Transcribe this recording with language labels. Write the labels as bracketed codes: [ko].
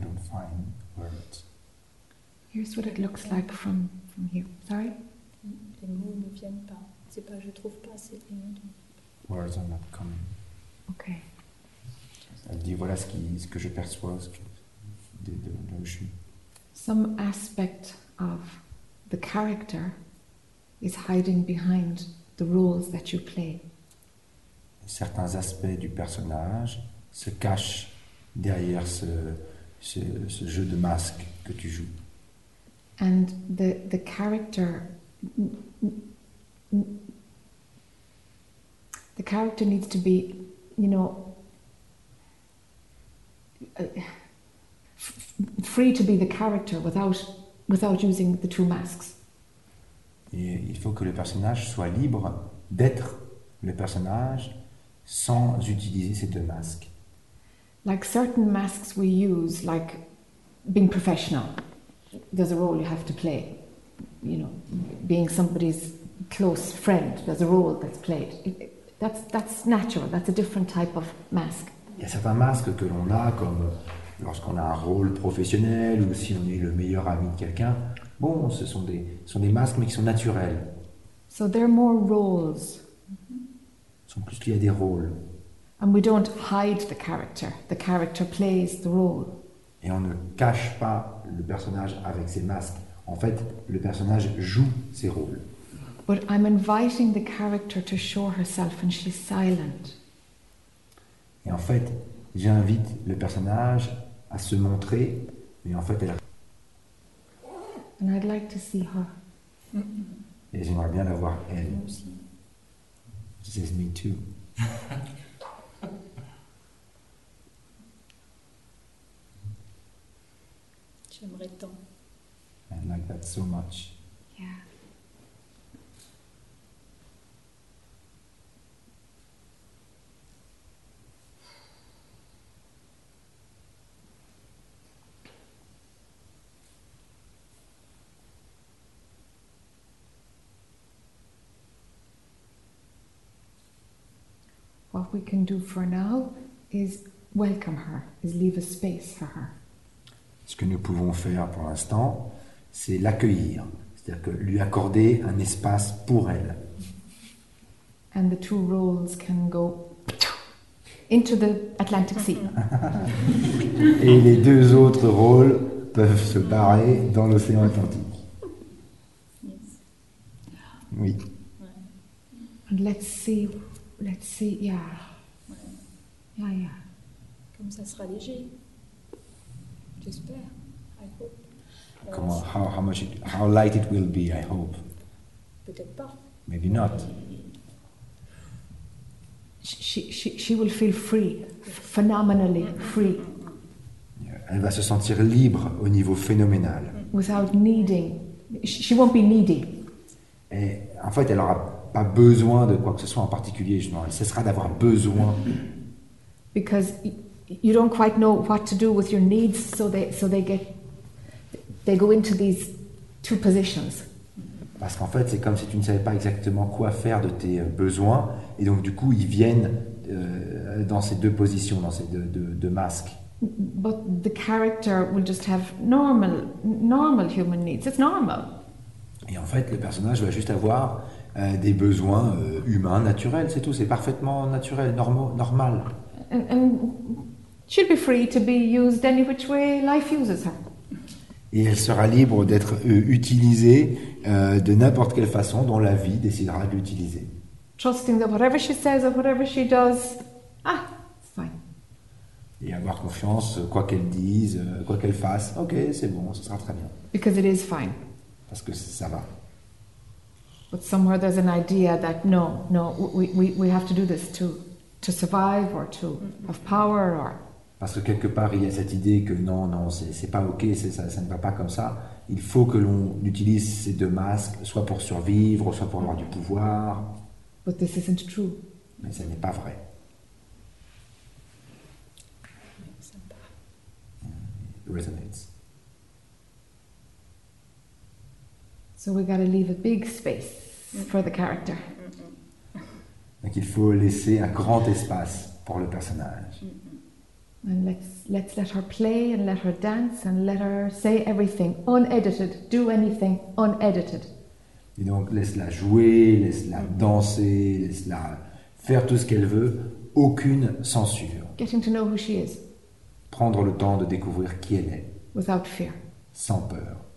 [en] Find words. Here's what it looks like from here. Sorry? [fr] Les mots ne viennent pas. C'est pas, je trouve pas ces mots. [en] Words are not coming. Okay. [fr] Elle dit voilà ce que je perçois, ce que de où je suis. [en] Some aspect of the character is hiding behind the rules that you play. [fr] Certains aspects du personnage se cachent derrière ce jeu de masque que tu joues. [en] And the character the character needs to be, you know, free to be the character without using the two masks. [fr] Et il faut que le personnage soit libre d'être le personnage sans utiliser ces deux masques. [en] Like certain masks we use, like being professional, there's a role you have to play. You know, being somebody's close friend, there's a role that's played. That's natural. That's a different type of mask. [fr] Il y a certains masques que l'on a, comme lorsqu'on a un rôle professionnel ou si on est le meilleur ami de quelqu'un. Bon, ce sont des masques, mais qui sont naturels. [en] So there are more roles. [fr] Ils sont plus liés à des rôles. [en] And we don't hide the character. The character plays the role. [fr] Et on ne cache pas le personnage avec ses masques. En fait, le personnage joue ses rôles. [en] But I'm inviting the character to show herself and she's silent. [fr] Et en fait, j'invite le personnage à se montrer, mais en fait, elle... [en] And I'd like to see her. [fr] Et j'aimerais bien la voir, elle. Moi aussi. [en] She says, me too. [fr] J'aimerais tant. [en] I like that so much. Yeah. what we can do for now is welcome her, is leave a space for her. [fr] Ce que nous pouvons faire pour l'instant, c'est l'accueillir, c'est-à-dire que lui accorder un espace pour elle. [en] And the two roles can go into the Atlantic Sea. [fr] Et les deux autres rôles peuvent se barrer dans l'océan Atlantique. Oui. [en] And let's see, yeah. [fr] Comme ça sera léger. J'espère. [en] I hope. Come on, how light it will be, I hope. [fr] Peut-être pas. [en] Maybe not. She will feel free, phenomenally free. [fr] Elle va se sentir libre au niveau phénoménal. [en] Without needing, she won't be needy. [fr] Et en fait, elle n'aura pas besoin de quoi que ce soit en particulier. Justement, elle cessera d'avoir besoin. [en] Because you don't quite know what to do with your needs, so they go into these two positions. [fr] Parce qu'en fait, c'est comme si tu ne savais pas exactement quoi faire de tes besoins, et donc du coup, ils viennent dans ces deux positions, dans ces deux masques. [en] But the character will just have normal human needs. It's normal. [fr] Et en fait, le personnage va juste avoir des besoins humains naturels, c'est tout. C'est parfaitement naturel, normal. [en] And she'll be free to be used any which way life uses her. [fr] Et elle sera libre d'être utilisée de n'importe quelle façon dont la vie décidera de l'utiliser. [en] Trusting that whatever she says or whatever she does, it's fine. [fr] Et avoir confiance, quoi qu'elle dise, quoi qu'elle fasse, ok, c'est bon, ce sera très bien. [en] Because it is fine. [fr] Parce que ça va. [en] But somewhere there's an idea that we have to do this to survive or to have power or. [fr] Parce que quelque part, il y a cette idée que non, c'est pas OK, ça ne va pas comme ça. Il faut que l'on utilise ces deux masques, soit pour survivre, soit pour avoir du pouvoir. [en] But this isn't true. [fr] Mais ça n'est pas vrai. [en] It resonates. So we gotta leave a big space for the character. [fr] Donc il faut laisser un grand espace pour le personnage. [en] And let's let her play and let her dance and let her say everything unedited, do anything unedited. [fr] Et donc laisse-la jouer, laisse-la danser, laisse-la faire tout ce qu'elle veut, aucune censure. [en] Getting to know who she is. [fr] Prendre le temps de découvrir qui elle est. [en] Without fear. [fr] Sans peur.